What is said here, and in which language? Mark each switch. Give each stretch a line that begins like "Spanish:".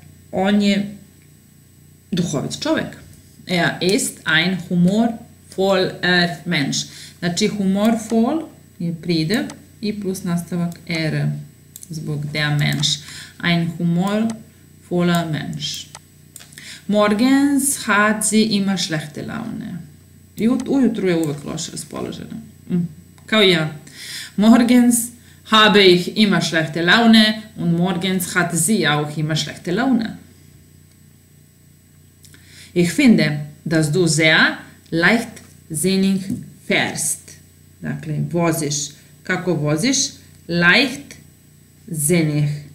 Serbian: On je duhovit čovjek.
German: Er ist ein humorvoller Mensch.
Serbian: Znači, humorvoll je pridev i plus nastavak er zbog der Mensch.
German: Ein humorvoller Mensch. Morgens hat sie immer schlechte Laune.
Serbian: Ujutru je uvek loše raspoložena. Kao ja.
German: Morgens habe ich immer schlechte Laune und morgens hat sie auch immer schlechte Laune. Ich finde, dass du sehr leichtsinnig fährst.
Serbian: Dakle, voziš. Kako voziš? Leichtsinnig.